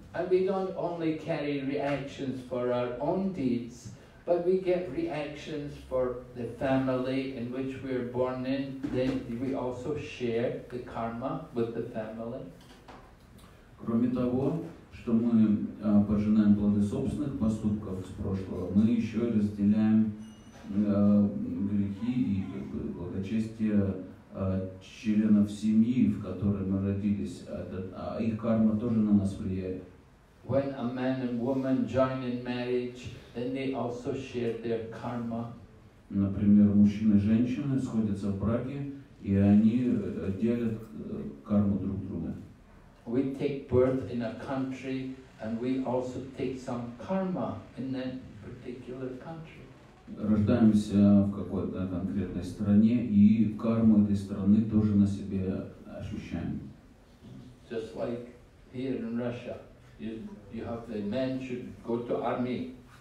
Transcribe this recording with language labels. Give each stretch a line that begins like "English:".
English: And we don't only carry reactions for our own deeds, but we get reactions for the family in which we are born in, then we also share the karma with the family.
Russian: Кроме того, что мы пожинаем плоды собственных поступков с прошлого, мы еще разделяем грехи и благочестие членов семьи, в которой мы родились, а их карма тоже на нас влияет.
English: When a man and woman join in marriage, then they also share their karma.
Russian: Например, мужчина и женщина сходятся в браке, и они делят карму друг друга.
English: We take birth in a country, and we also take some karma in that particular country.
Russian: Рождаемся в какой-то конкретной стране, и карму этой страны тоже на себе ощущаем.
English: Just like here in Russia, you have the men should go to army.